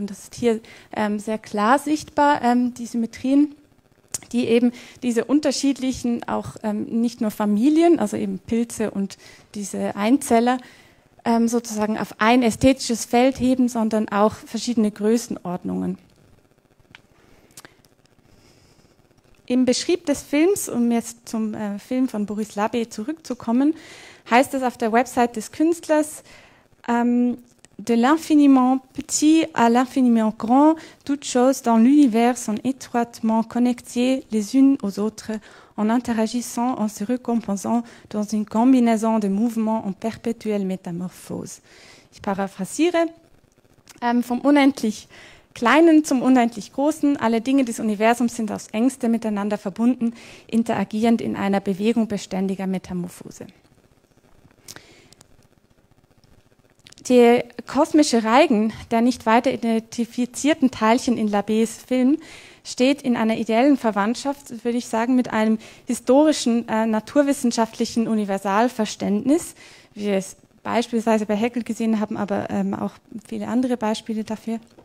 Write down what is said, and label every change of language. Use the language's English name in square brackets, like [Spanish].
[German] Und das ist hier sehr klar sichtbar, die Symmetrien, die eben diese unterschiedlichen, auch nicht nur Familien, also eben Pilze und diese Einzeller, sozusagen auf ein ästhetisches Feld heben, sondern auch verschiedene Größenordnungen. Im Beschrieb des Films, um jetzt zum Film [French] von Boris Labbé zurückzukommen, heißt es auf der Website des Künstlers, de l'infiniment petit à l'infiniment grand, toutes choses dans l'univers sont étroitement connectées les unes aux autres, en interagissant, en se recomposant dans une combinaison de mouvements en perpétuelle métamorphose. [German] Ich paraphrasiere, vom unendlich Kleinen zum unendlich Großen, alle Dinge des Universums sind aus Ängste miteinander verbunden, interagierend in einer Bewegung beständiger Metamorphose. Die kosmische Reigen der nicht weiter identifizierten Teilchen in Labbés Film steht in einer ideellen Verwandtschaft, würde ich sagen, mit einem historischen, naturwissenschaftlichen Universalverständnis, wie wir es beispielsweise bei Haeckel gesehen haben, aber auch viele andere Beispiele dafür.